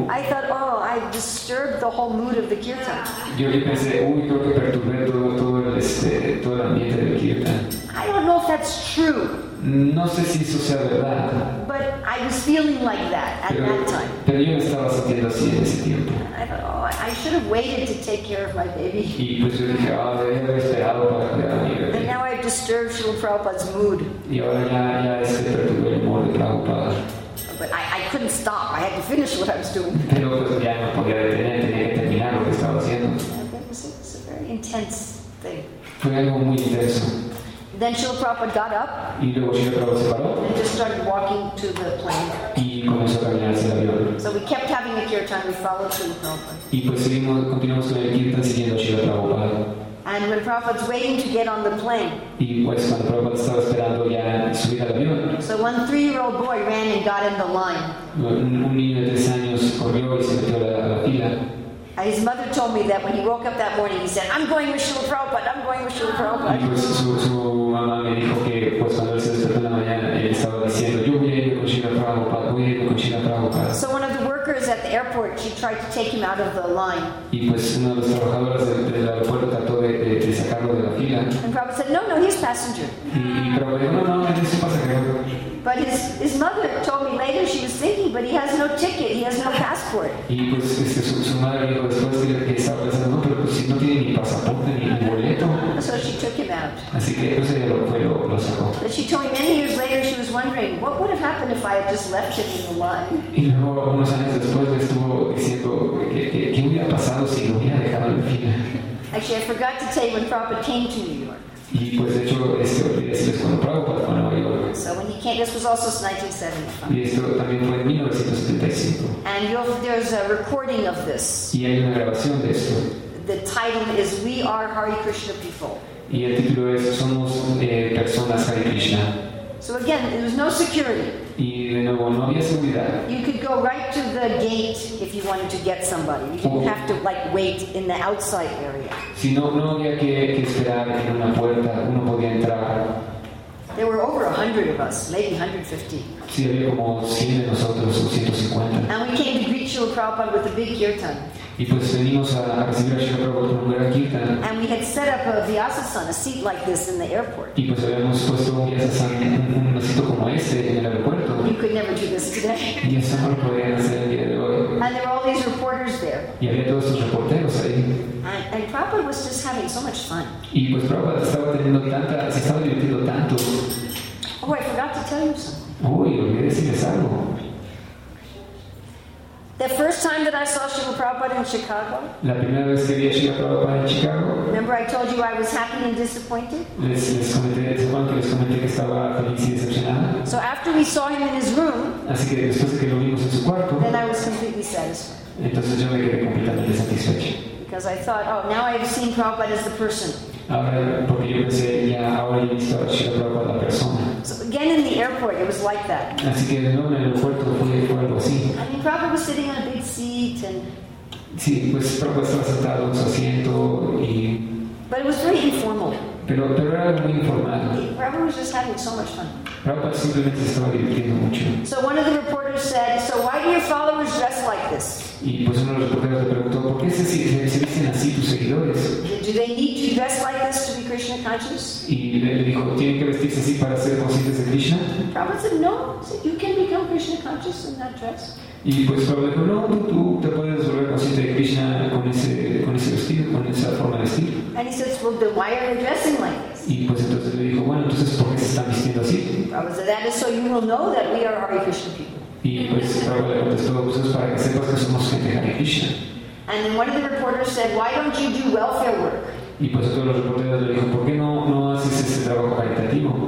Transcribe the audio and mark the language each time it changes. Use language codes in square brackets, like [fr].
[en] I thought, oh, I disturbed the whole mood of the kirtan. [es] Yo pensé, uy, creo que perturbé todo el ambiente del kirtan. [en] I don't know if that's true. [es] No sé si eso sea verdad. [en] But I was feeling like that at that time. [es] Pero yo me estaba sintiendo así en ese tiempo. [en] I thought, oh, I should have waited to take care of my baby. [es] Y pues yo dije, ah, debería haber esperado para cuidar a mi bebé. [en] And now I've disturbed Srila Prabhupada's mood. [es] Y ahora ya perturbé el humor de Prabhupada. [en] But I couldn't stop. I had to finish what I was doing. [es] Pero pues ya no podía detener, tenía que terminar lo que estaba haciendo. [en] It's a very intense thing. [es] Fue algo muy intenso. [en] Then Srila Prabhupada got up and just started walking to the plane. [es] Y comenzó a caminar hacia el avión. [en] So we kept having the kirtan, we followed Srila Prabhupada. [es] Y pues continuamos con el kirtan siguiendo Srila Prabhupada. [en] And when Prabhupada's waiting to get on the plane, [es] y pues cuando Prabhupada estaba esperando ya subir al avión, [en] so 1 3-year-old boy ran and got in the line. [es] Un niño de 3 años corrió y se metió a la fila. [en] His mother told me that when he woke up that morning, he said, "I'm going with Srila Prabhupada. I'm going with Srila Prabhupada." [es] Y pues su mamá me dijo que pues cuando él se despertó en la mañana, él estaba diciendo, "Yo voy a ir con Srila Prabhupada. Voy a ir con Srila Prabhupada." [en] So one of the workers at the airport, she tried to take him out of the line. [es] Y pues una de las trabajadoras del aeropuerto trató de sacarlo de la fila. [en] And Prabhupada said, "No, he's passenger." [es] Y Prabhupada dijo, "No, él es un pasajero." [en] But his mother told me later she was thinking, but he has no ticket, he has no passport. [es] Y pues su madre dijo después que estaba pensando, no, pero pues si no tiene ni pasaporte ni boleto. [en] So she took him out. [es] Así que pues ella lo sacó. [en] But she told me many years later she was wondering, what would have happened if I had just left him in the line? [es] Y luego unos años después le estuvo diciendo, ¿qué hubiera pasado si lo hubiera dejado en fila? [en] Actually, I forgot to tell you when Prabhupada came to New York. [es] Y pues de hecho este es cuando Prabhupada fue a Nueva York. [en] So when he came, this was also 1975. [es] Y esto también fue en 1975. [en] And there's a recording of this. [es] Y hay una grabación de esto. [en] The title is "We Are Hare Krishna People." [es] Y el título es "Somos personas Hare Krishna." [en] So again, there was no security. [es] Y de nuevo, no había seguridad. [en] You could go right to the gate if you wanted to get somebody. You didn't have to wait in the outside area. [es] Si no había que esperar en una puerta, uno podía entrar. [en] There were over 100 of us, maybe 150. [es] Sí, había como 100 de nosotros, o 150. [en] And we came to greet Srila Prabhupada with a big kirtan. [es] Y pues venimos a recibir a Srila Prabhupada con un gran kirtan. [en] And we had set up a Vyasasana, a seat like this in the airport. [es] Y pues habíamos puesto un Vyasasana, un asiento como este en el aeropuerto. [en] You could never do this today. [es] Y eso no lo podían hacer el día de hoy. [en] And there were all these reporters there. [es] Y había todos esos reporteros ahí. [en] And Prabhupada was just having so much fun. [es] Y pues Prabhupada se estaba divirtiendo tanto. [en] Oh, I forgot to tell you something. [es] Uy, olvidé decirles algo. [en] The first time that I saw Srila Prabhupada in Chicago. [es] La primera vez que vi a Srila Prabhupada en Chicago. [en] Remember I told you I was happy and disappointed? [es] Les comenté que estaba feliz y decepcionada. [en] So after we saw him in his room. [es] Así que después de que lo vimos en su cuarto. [en] Then I was completely satisfied. [es] Entonces yo me quedé completamente satisfecho. [en] Because I thought, oh, now I've seen Prabhupada as the person. [es] Ahora, porque yo pensé, ya ahora he visto a Srila Prabhupada la persona. [en] So again in the airport, it was like that. [es] Así que de nuevo en el aeropuerto fue algo así. [en] I mean, Prabhupada was sitting on a big seat and. [es] Sí, pues Prabhupada estaba sentado en su asiento y. [en] But it was very informal. [es] Pero era muy informal. [en] Prabhupada was just having so much fun. [es] Prabhupada simplemente estaba divirtiendo mucho. [en] So one of the reporters said, "So why do your followers dress like this?" [es] Y pues uno de los reporteros le preguntó, ¿por qué se visten así tus seguidores? [en] Do they need to dress like this to be Krishna conscious? [es] Y él le dijo, ¿tienen que vestirse así para ser conscientes de Krishna? [en] Prabhupada said, no. So you can become Krishna conscious in that dress. [es] Y pues Prabhupada dijo, no, tú te puedes volver consciente de Krishna con ese vestido, con esa forma de vestir. [en] And he says, well, then why are you dressing like this? [es] Y pues entonces le dijo, bueno, entonces ¿por qué se están vistiendo así? [en] Prabhupada said, that is so you will know that we are Hare Krishna people. [es] Y pues Prabhupada le contestó, pues es para que sepas que somos gente de Hare Krishna. [en] And then one of the reporters said, why don't you do welfare work? [es] Y pues otro de los reporteros le dijo, ¿por qué no haces ese trabajo caritativo?